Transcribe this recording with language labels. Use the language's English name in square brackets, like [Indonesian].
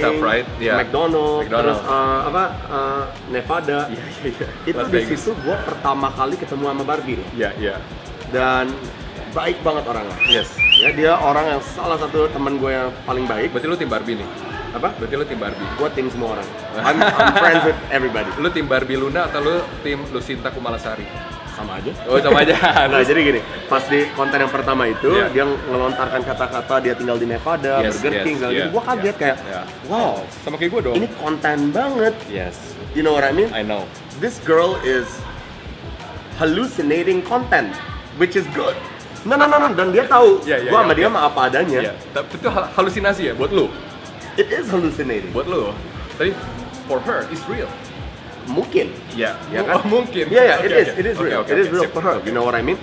[English] Stuff, right? Yeah. McDonald's. Terus Nevada. [Indonesian] Iya. Itu di situ gue pertama kali ketemu sama Barbie. Iya. Dan baik banget orangnya. [English] Yes. [Indonesian] Ya, dia orang yang salah satu teman gue yang paling baik. Berarti lu tim Barbie nih. Apa? Berarti lu tim Barbie? Gua tim semua orang. [English] I'm friends with everybody. [Indonesian] Lu tim Barbie Luna atau lu tim Lucinta Kumalasari? Sama aja. Oh, sama aja. Nah, jadi gini, pas di konten yang pertama itu, dia ngelontarkan kata-kata dia tinggal di Nevada, Burger King, dan gitu. Gua kaget kayak, wow. Sama kayak gua dong. Ini konten banget. [English] Yes. You know what I mean? I know. This girl is hallucinating content, which is good. No. [Indonesian] Dan dia tahu gua sama dia mah apa adanya. Tapi itu halusinasi ya buat lu? [English] It is hallucinating. [Indonesian] Buat lu, tapi [English] for her, it's real. [Indonesian] Mungkin. Mungkin. [English] It is real. For her, you know what I mean?